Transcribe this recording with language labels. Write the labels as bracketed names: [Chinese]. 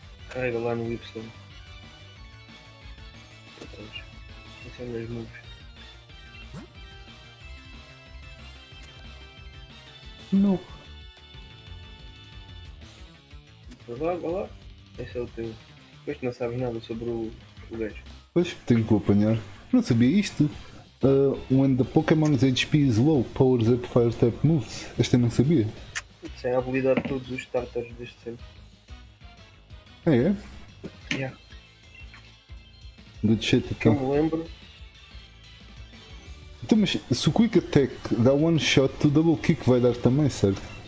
[Portuguese] Carrega lá no Y. Isso é mesmo. Não. Vá lá. Esse é o teu. Pois tu não sabes nada sobre o gajo. Pois tenho que apanhar. Não sabia isto. [English] When the Pokémon's HP is low, powers up fire type moves. [Portuguese] Esta eu não sabia. Isso é a habilidade de todos os starters deste sempre. Ah, é? [English] Yeah. Good shit, [Portuguese] então. Não me lembro. Então, mas se o Quick Attack dá one shot, o Double Kick vai dar também, certo?